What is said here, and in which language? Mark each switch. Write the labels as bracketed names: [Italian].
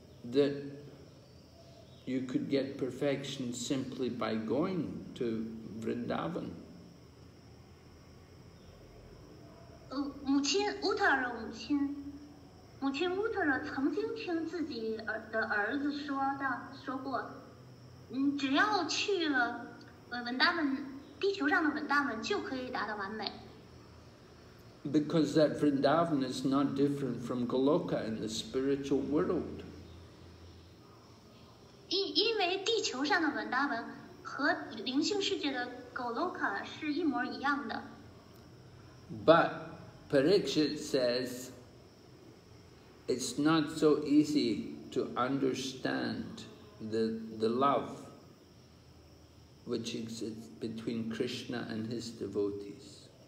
[English] that you could get perfection simply by going to Vrindavan. [Chinese] 母亲 Uttara 曾经听自己的儿子说过，只要去了文大门，地球上的文大门就可以达到完美。 [English] Because that Vrindavan is not different from Goloka in the spiritual world. [Chinese] 因为地球上的文大门和灵性世界的 Goloka 是一模一样的。 [English] But Parikshit says it's not so easy to understand the love which exists between Krishna and his devotees.